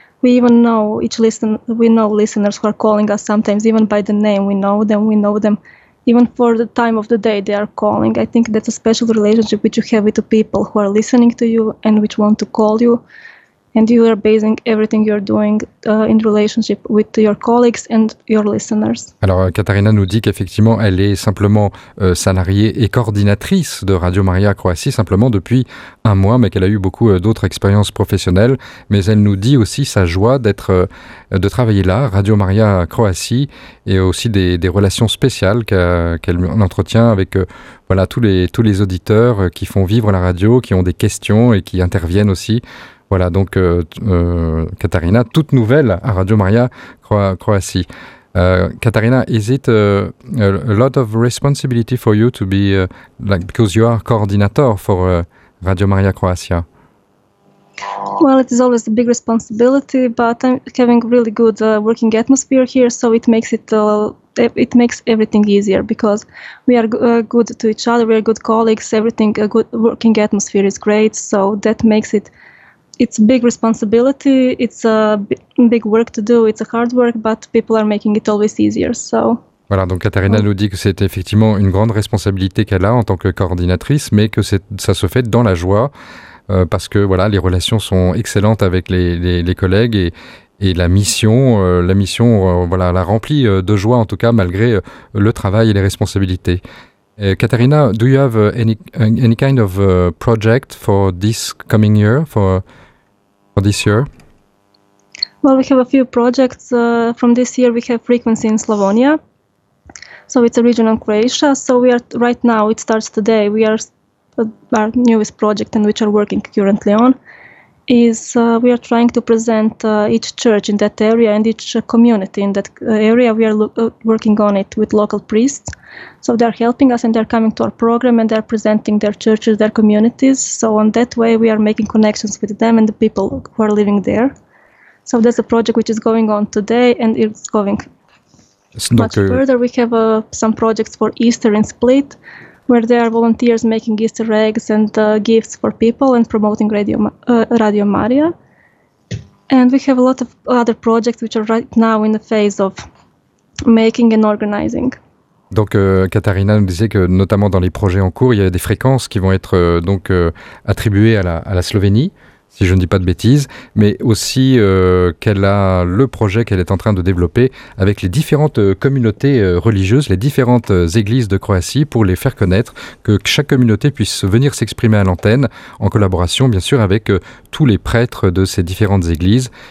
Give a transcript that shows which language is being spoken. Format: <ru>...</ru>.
<en>We even know listeners who are calling us sometimes, even by the name we know them, even for the time of the day they are calling. I think that's a special relationship which you have with the people who are listening to you and which want to call you. And you are basing everything you're doing in relationship with your colleagues and your listeners.</en> <fr>Alors, Katarina nous dit qu'effectivement, elle est simplement salariée et coordinatrice de Radio Maria Croatie, simplement depuis un mois, mais qu'elle a eu beaucoup d'autres expériences professionnelles. Mais elle nous dit aussi sa joie de travailler là, Radio Maria Croatie, et aussi des relations spéciales qu'elle entretient avec voilà, tous les auditeurs qui font vivre la radio, qui ont des questions et qui interviennent aussi. Voilà, donc Katarina, toute nouvelle à Radio Maria Croatie.</fr> <en>Katarina, is it a lot of responsibility for you to be, like, because you are coordinator for Radio Maria Croatia? Well, it is always a big responsibility, but I'm having really good working atmosphere here, so it makes it makes everything easier because we are good to each other, we are good colleagues, everything, a good working atmosphere is great, so that makes it. It's a big responsibility, it's a big work to do, it's a hard work, but people are making it always easier, so.</en> <fr>Voilà, donc Katarina nous dit que c'est effectivement une grande responsabilité qu'elle a en tant que coordinatrice, mais que ça se fait dans la joie, parce que voilà, les relations sont excellentes avec les collègues et la mission voilà, la remplit de joie, en tout cas, malgré le travail et les responsabilités.</fr> <en>Katarina, do you have any kind of project for this coming year, for this year? Well, we have a few projects. From this year, we have Frequency in Slavonia. So it's a region in Croatia. So we are right now, it starts today. We are our newest project and which are working currently on is we are trying to present each church in that area and each community in that area. We are working on it with local priests. So they are helping us and they are coming to our program and they are presenting their churches, their communities. So on that way we are making connections with them and the people who are living there. So that's a project which is going on today and it's going much further. We have some projects for Easter in Split where there are volunteers making Easter eggs and gifts for people and promoting Radio Maria. And we have a lot of other projects which are right now in the phase of making and organizing.</en> <fr>Donc, Katharina nous disait que, notamment dans les projets en cours, il y a des fréquences qui vont être attribuées à la Slovénie, si je ne dis pas de bêtises, mais aussi qu'elle a le projet qu'elle est en train de développer avec les différentes communautés religieuses, les différentes églises de Croatie, pour les faire connaître, que chaque communauté puisse venir s'exprimer à l'antenne, en collaboration, bien sûr, avec tous les prêtres de ces différentes églises.</fr>